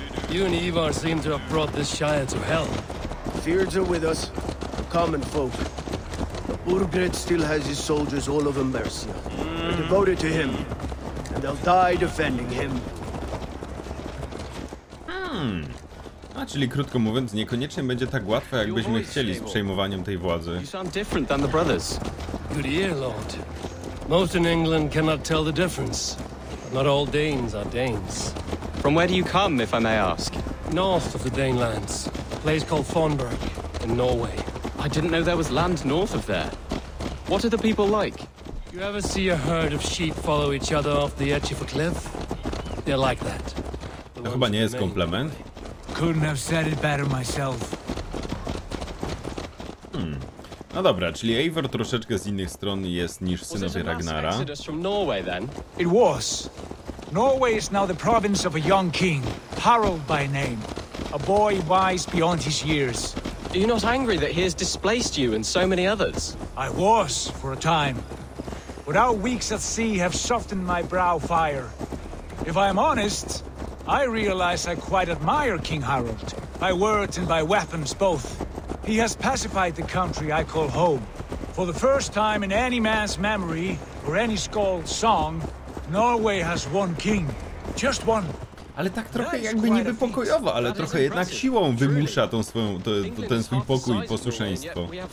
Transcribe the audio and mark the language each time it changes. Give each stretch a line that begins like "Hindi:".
English: You and Ivar seem to have brought this Shire to hell. Fjords are with us, the common folk. But Urgred still has his soldiers all over Mercia. They're devoted to him, and they'll die defending him.
Polish: A czyli krótko mówiąc, niekoniecznie będzie tak łatwo, jakbyśmy chcieli z przejmowaniem tej władzy.
English: You sound different than the brothers. Good ear, Lord. Most in England cannot tell the difference. But not all Danes are Danes. From where do you come, if I may ask? North of the Danelands. A place called Thornburg, in Norway. I didn't know there was land north of there. What are the people like? You ever see a herd of sheep follow each other off the edge of a cliff? They're like that.
Polish: To chyba nie jest komplement.
English: Couldn't have said it better myself.
Polish: No dobra, czyli Eivor troszeczkę z innych stron jest niż synowie Ragnara.
English: Was it a mass exodus from Norway, then? It was. Norway is now the province of a young king, Harald by name, a boy wise beyond his years. Are you not angry that he has displaced you and so many others? I was, for a time. But our weeks at sea have softened my brow fire. If I am honest, I realize I quite admire King Harald. by words and by weapons both. He has pacified the country I call home. For the first time in any man's memory, or any skald's song, Norway has one king. Just one.
Polish: Ale tak trochę jakby niby pokojowo, ale trochę jednak siłą wymusza tą swoją, ten swój pokój i posłuszeństwo.